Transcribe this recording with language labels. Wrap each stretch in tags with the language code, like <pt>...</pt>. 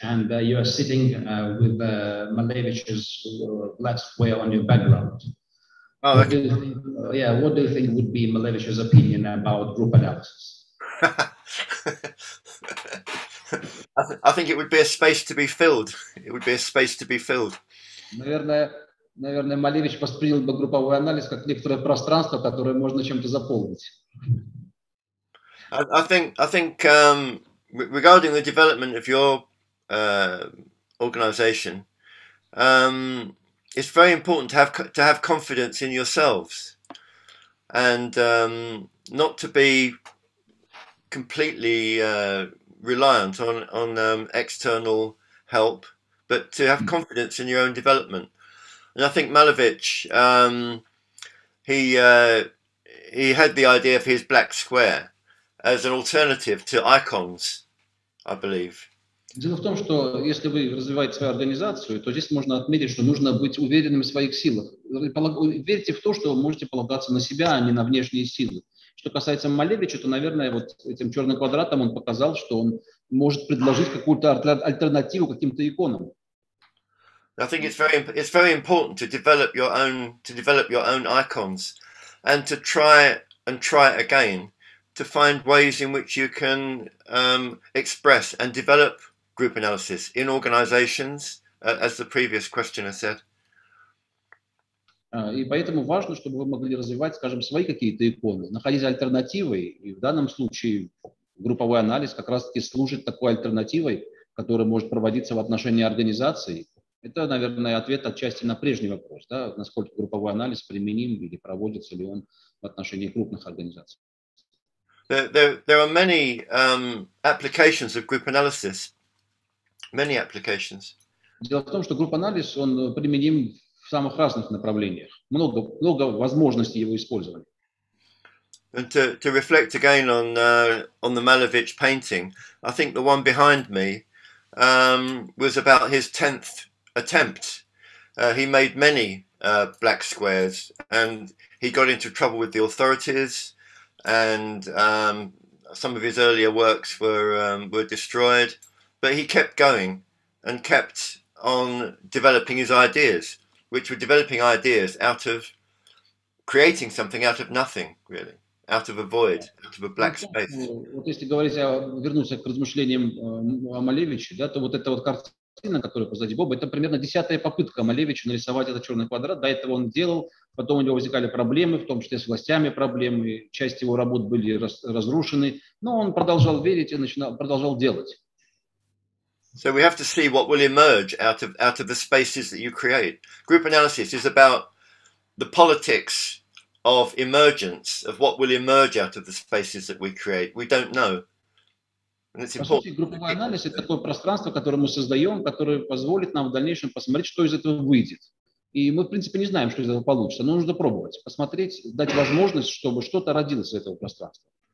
<en>And you are sitting with Malevich's Vlad's way on your background. Oh, okay. What do you think would be Malevich's opinion about group analysis? I think it would be a space to be filled. It would be a space to be filled.</en> <ru>Наверное, Малевич воспринял бы групповой анализ как некоторое пространство, которое можно чем-то заполнить.</ru> <en>I think regarding the development of your organization, it's very important to have confidence in yourselves and not to be completely reliant on external help, but to have confidence in your own development. And I think Malevich, he had the idea of his black square as an alternative to icons, I believe.</en> <ru>Дело в том, что если вы развиваете свою организацию, то здесь можно отметить, что нужно быть уверенным в своих силах. Верьте в то, что вы можете полагаться на себя, а не на внешние силы. Что касается Малевича, то, наверное, вот этим черным квадратом он показал, что он может предложить какую-то альтернативу каким-то иконам.</ru> <en>I think it's very important to develop your own icons and to try again to find ways in which you can express and develop group analysis in organizations, as the previous questioner said.</en> <ru>И поэтому важно, чтобы вы могли развивать, скажем, свои какие-то иконы, находить альтернативы, и в данном случае групповой анализ как раз-таки служит такой альтернативой, которая может проводиться в отношении организации. Это, наверное, ответ отчасти на прежний вопрос, да, насколько групповой анализ применим или проводится ли он в отношении крупных организаций.</ru> <en>There are many applications of group analysis. Many applications.</en> <ru>Дело в том, что групп-анализ, он применим в самых разных направлениях. Много, много возможностей его использования.</ru> <en>And to reflect again on the Malevich painting, I think the one behind me was about his 10th attempt. He made many black squares and he got into trouble with the authorities. And some of his earlier works were destroyed, but he kept going and kept on developing his ideas, which were developing ideas out of creating something out of nothing, really, out of a void, out of a black space.</en> <ru>Вот если говорить о вернуться к размышлениям о Малевиче, да, то вот эта вот картина, которая позади Боба, это примерно 10-я попытка Малевича нарисовать этот черный квадрат. До этого он делал. Потом у него возникали проблемы, в том числе с властями проблемы, часть его работ были разрушены, но он продолжал верить и продолжал делать.</ru> <en>So we have to see what will emerge out of the spaces that you create. Group analysis is about the politics of emergence, of what will emerge out of the spaces that we create. We don't know. And it's important.</en> <ru>По сути, групповой анализ — это такое пространство, которое мы создаем, которое позволит нам в дальнейшем посмотреть, что из этого выйдет. И мы, в принципе, не знаем, что из этого получится, но нужно пробовать, посмотреть, дать возможность, чтобы что-то родилось из этого пространства.</ru>